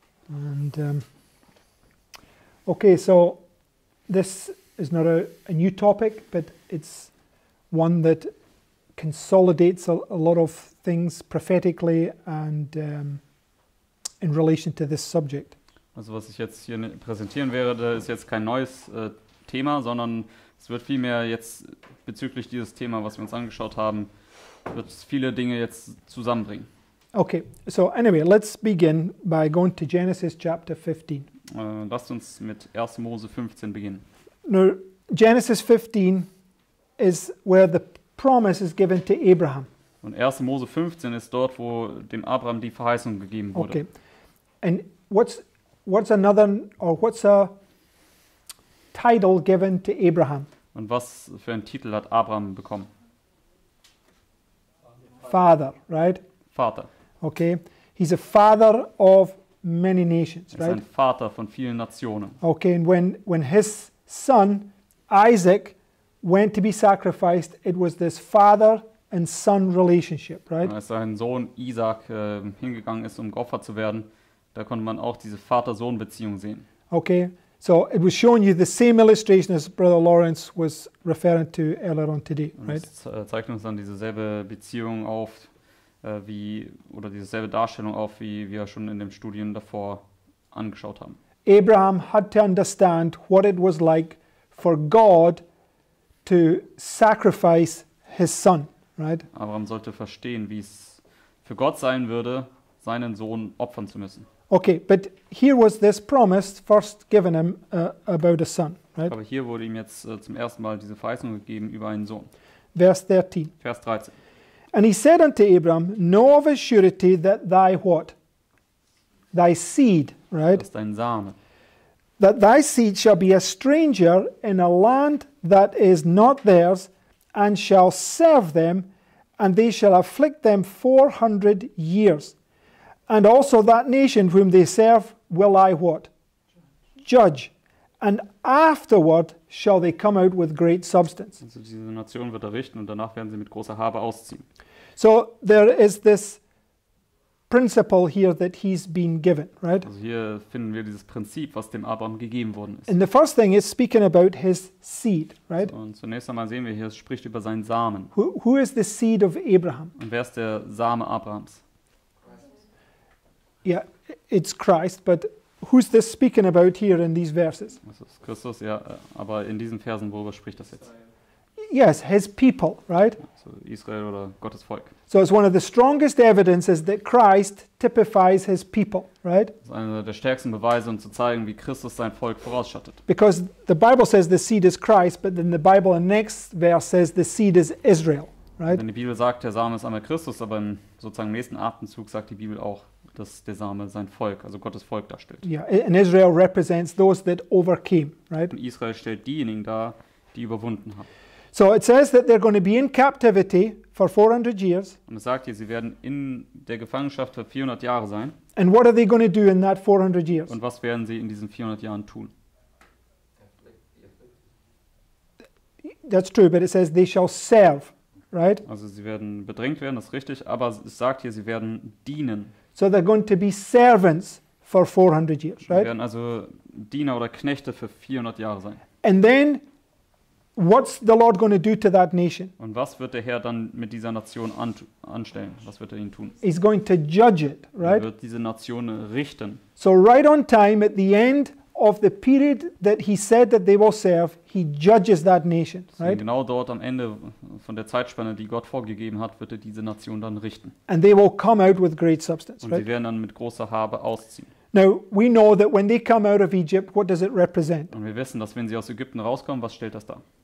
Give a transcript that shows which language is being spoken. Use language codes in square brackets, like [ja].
[en] And okay, so this is not a new topic, but it's one that consolidates a lot of things prophetically and in relation to this subject. [de] Also, was ich jetzt hier präsentieren werde, ist jetzt kein neues Thema, sondern es wird vielmehr jetzt bezüglich dieses Thema, was wir uns angeschaut haben, wird viele Dinge jetzt zusammenbringen. [en] Okay, so anyway, let's begin by going to Genesis chapter 15. [de] Lasst uns mit 1. Mose 15 beginnen. [en] Now, Genesis 15 is where the promise is given to Abraham. [de] Und 1. Mose 15 ist dort, wo dem Abraham die Verheißung gegeben wurde. [en] Okay, and what's another, or what's a title given to Abraham? [de] Und was für einen Titel hat Abraham bekommen? [en] Father, right? [de] Vater. [en] Okay. He's a father of many nations, right? [de] Er ist ein Vater von vielen Nationen. [en] Okay, and when his son Isaac went to be sacrificed, it was this father and son relationship, right? [de] Als sein Sohn Isaac hingegangen ist, um geopfert zu werden, da konnte man auch diese Vater-Sohn-Beziehung sehen. Okay. [en] So it was showing you the same illustration as Brother Lawrence was referring to earlier on today, right? [de] Es zeigt uns dann dieselbe Beziehung auf, wie, oder dieselbe Darstellung auf, wie wir schon in dem Studium davor angeschaut haben. [en] Abraham had to understand what it was like for God to sacrifice his son, right? [de] Abraham sollte verstehen, wie es für Gott sein würde, seinen Sohn opfern zu müssen. [en] Okay, but here was this promise first given him about a son, right? [de] Aber hier wurde ihm jetzt zum ersten Mal diese Verheißung gegeben über einen Sohn. [en] Verse 13. [de] Vers 13. [en] And he said unto Abram, know of a surety that thy what? Thy seed, right? [de] Das ist dein Same. [en] That thy seed shall be a stranger in a land that is not theirs, and shall serve them, and they shall afflict them 400 years. And also that nation whom they serve will I what? Judge. And afterward shall they come out with great substance. [de] Also diese Nation wird errichten und danach werden sie mit großer Habe ausziehen. [en] So there is this principle here that he's been given, right? [de] Also hier finden wir dieses Prinzip, was dem Abraham gegeben worden ist. [en] And the first thing is speaking about his seed, right? [de] So, und zunächst einmal sehen wir hier, es spricht über seinen Samen. [en] Who is the seed of Abraham? [de] Und wer ist der Same Abrahams? [en] Yeah, it's Christ, but who's this speaking about here in these verses? [de] Das ist Christus, ja, aber in diesen Versen, worüber spricht das jetzt? [en] Yes, his people, right? [de] So Israel oder Gottes Volk. [en] So it's one of the strongest evidences that Christ typifies his people, right? [de] Das ist einer der stärksten Beweise, um zu zeigen, wie Christus sein Volk vorausschattet. [en] Because the Bible says the seed is Christ, but then the Bible in the next verse says the seed is Israel, right? [de] Denn die Bibel sagt, der Same ist einmal Christus, aber im sozusagen nächsten Atemzug sagt die Bibel auch, dass der Same sein Volk, also Gottes Volk, darstellt. [en] Yeah, and Israel represents those that overcame, right? [de] Und Israel stellt diejenigen dar, die überwunden haben. [en] So it says that they're going to be in captivity for 400 years. [de] Und es sagt hier, sie werden in der Gefangenschaft für 400 Jahre sein. [en] And what are they going to do in that 400 years? [de] Und was werden sie in diesen 400 Jahren tun? [en] That's true, but it says they shall serve, right? [de] Also sie werden bedrängt werden, das ist richtig, aber es sagt hier, sie werden dienen. [en] So they're going to be servants for 400 years, right? [de] Sie werden also Diener oder Knechte für 400 Jahre sein. [en] And then, what's the Lord going to do to that nation? [de] Und was wird der Herr dann mit dieser Nation anstellen? Was wird er ihnen tun? [en] He's going to judge it, right? [de] Er wird diese Nation richten. [en] So right on time, at the end of the period that he said that they will serve, he judges that nation, right? [de] Genau dort am Ende von der Zeitspanne, die Gott vorgegeben hat, wird er diese Nation dann richten. [en] And they will come out with great substance, right? [de] Und sie werden dann mit großer Habe ausziehen. [en] Now, we know that when they come out of Egypt, what does it represent? [de] Und wir wissen, dass wenn sie aus Ägypten rauskommen, was stellt das dar?